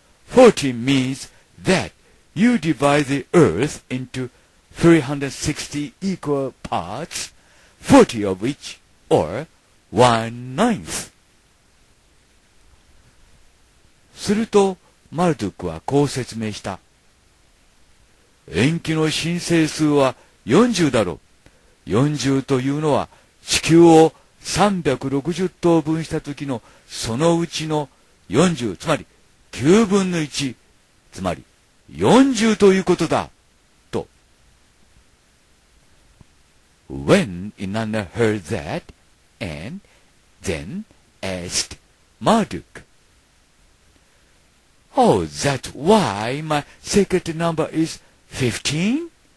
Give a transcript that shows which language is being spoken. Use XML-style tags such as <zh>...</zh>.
<en>40 means that you divide the earth into 360 equal parts, 40 of which, or one ninth.</en> <ja>すると、マルドゥクはこう説明した。延期の申請数は40だろう。 40というのは地球を360等分した時のそのうちの40、つまり9分の1、つまり40ということだ、と。</ja> <en>When Inanna heard that, and then asked Marduk, Oh, that's why my secret number is 15?</en>